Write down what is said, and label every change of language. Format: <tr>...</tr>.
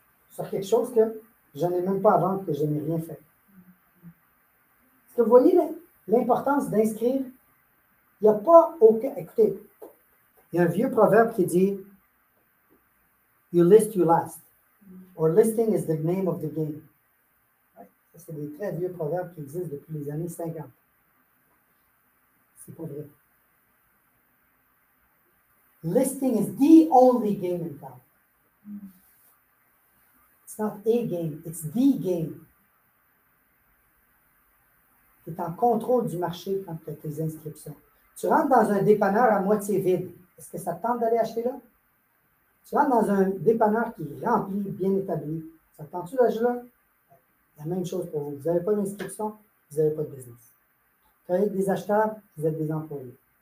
<fr>Sur quelque chose que je n'ai même pas à vendre, que je n'ai rien fait. Est-ce que vous voyez l'importance d'inscrire? Il n'y a pas aucun... Écoutez, il y a un vieux proverbe qui dit «</fr> <en>You list, you last.</en> <fr>» Or «</fr> <en>Listing is the name of the game.</en> <fr>» Ça, c'est des très vieux proverbes qui existent depuis les années 50. C'est pas vrai.</fr> <en>Listing is the only game in town. It's not a game, it's the game.</en> <fr>Tu es en contrôle du marché quand tu as tes inscriptions. Tu rentres dans un dépanneur à moitié vide. Est-ce que ça te tente d'aller acheter là? Tu rentres dans un dépanneur qui est rempli, bien établi. Ça te tente-tu d'acheter là? La même chose pour vous. Vous n'avez pas d'inscription, vous n'avez pas de business. Vous êtes des acheteurs, vous êtes des employés.</fr>